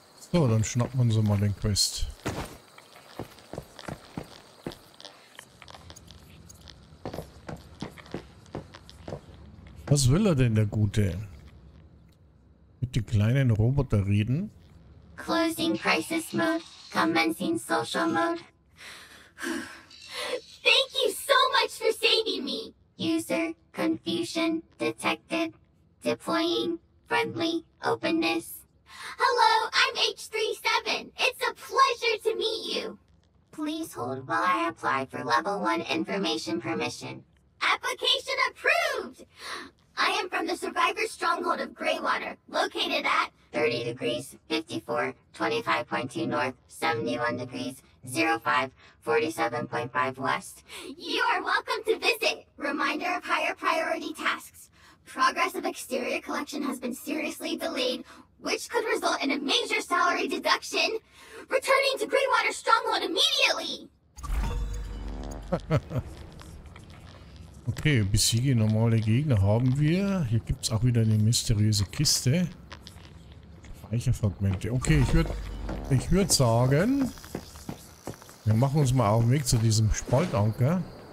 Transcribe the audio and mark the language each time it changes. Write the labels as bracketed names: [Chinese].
[German] So, dann schnappen wir uns mal den Quest. Was will er denn, der Gute? Mit den kleinen Roboter reden? [English] Closing crisis mode, commencing social mode. Thank you so much for saving me. User confusion detected. Deploying friendly openness. Hello, I'm H37. It's a pleasure to meet you. Please hold while I apply for level 1 information permission. Application approved. I am from the Survivor Stronghold of Greywater, located at 30 degrees 54, 25.2 north, 71 degrees 05, 47.5 west. You are welcome to visit. Reminder of higher priority tasks. Progress of exterior collection has been seriously delayed which could result in a major salary deduction. Returning to Greenwater Stronghold immediately. [German] Okay, besiege normale Gegner haben wir. Hier gibt es auch wieder eine mysteriöse Kiste. Speicherfragmente. Okay, ich würde sagen, wir machen uns mal auf den Weg zu diesem Spaltanker.